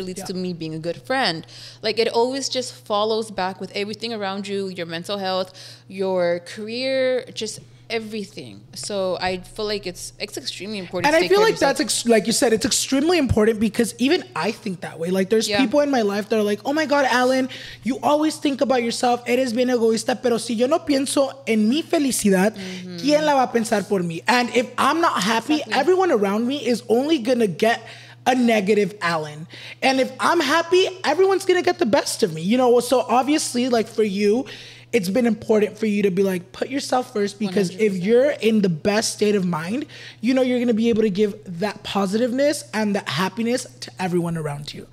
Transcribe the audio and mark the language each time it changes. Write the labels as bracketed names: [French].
[English] It leads to me being a good friend. Like, it always just follows back with everything around you, your mental health, your career, just everything. So I feel like it's extremely important. And I feel like that's like you said, it's extremely important, because even I think that way. Like, there's people in my life that are like, oh my God, Alan, you always think about yourself. [Spanish] Eres bien egoísta, pero si yo no pienso en mi felicidad, ¿quién la va a pensar por mí? [English] And if I'm not happy, everyone around me is only going to get a negative Alan. And if I'm happy, everyone's going to get the best of me. You know, so obviously, like, for you, it's been important for you to be like, put yourself first, because 100%. If you're in the best state of mind, you know you're going to be able to give that positiveness and that happiness to everyone around you.